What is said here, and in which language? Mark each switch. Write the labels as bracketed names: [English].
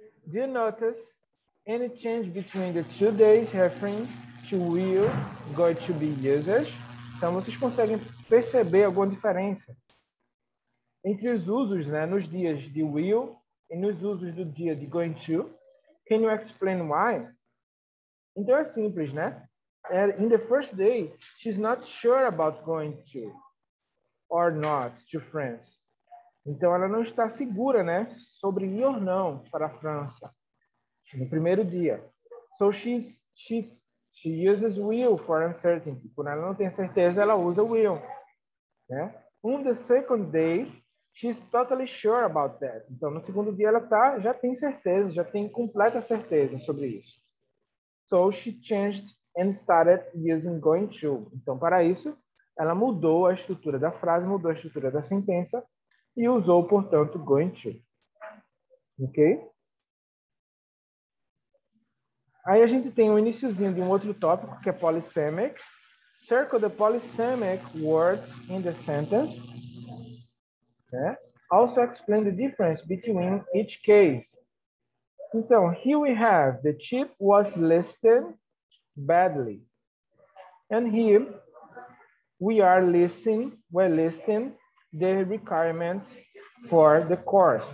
[English] Do you notice any change between the 2 days referring to will going to be used? [Portuguese] Então, vocês conseguem perceber alguma diferença entre os usos, né, nos dias de will e nos usos do dia de going to? [English] Can you explain why? [Portuguese] Então, é simples, né? [English] In the first day, she's not sure about going to or not to France. [Portuguese] Então, ela não está segura, né, sobre ir ou não para a França no primeiro dia. [English] So, she uses will for uncertainty. [Portuguese] Quando ela não tem certeza, ela usa will. Né? [English] On the second day, she's totally sure about that. [Portuguese] Então, no segundo dia, ela tá, já tem certeza, já tem completa certeza sobre isso. [English] So, she changed and started using going to. [Portuguese] Então, para isso, ela mudou a estrutura da frase, mudou a estrutura da sentença. E usou, portanto, going to. Ok? Aí a gente tem o iniciozinho de um outro tópico, que é polysemic. [English] Circle the polysemic words in the sentence. Né? Also explain the difference between each case. Então, here we have the chip was listed badly. And here we are listing, we're listing the requirements for the course.